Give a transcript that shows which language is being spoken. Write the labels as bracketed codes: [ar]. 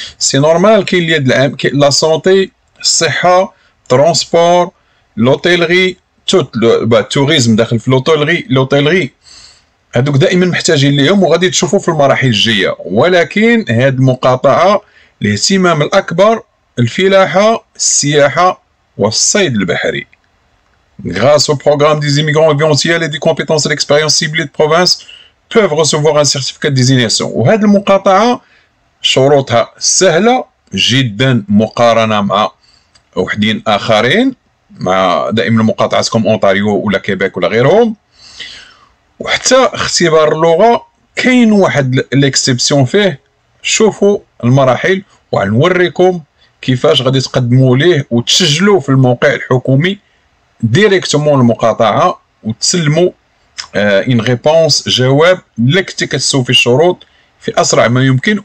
[ar] سي نورمال كاين اليد العام, كاين لا سونتي, الصحه, ترونسبور, لوتيلغي, توريزم داخل في لوتيلغي. لوتيلغي هادوك دائما محتاجين ليهم وغادي تشوفوا في المراحل الجايه. ولكن هاد المقاطعه الاهتمام الاكبر الفلاحه, السياحه والصيد البحري. [fr] Grâce au programme des immigrants éventuels et des compétences et l'expérience ciblée de province peuvent recevoir un certificat de désignation. [ar] وهاد المقاطعه شروطها سهله جدا مقارنه مع وحدين اخرين, مع دائما مقاطعتكم اونتاريو ولا كيبيك ولا غيرهم. وحتى اختبار اللغه كاين واحد ليكسيبسيون فيه, شوفوا المراحل وغنوريكم كيفاش غادي تقدموا ليه وتسجلوا في الموقع الحكومي ديريكتومون المقاطعه وتسلموا ان ريبونس, جواب لكتي كتسوف في الشروط في اسرع ما يمكن.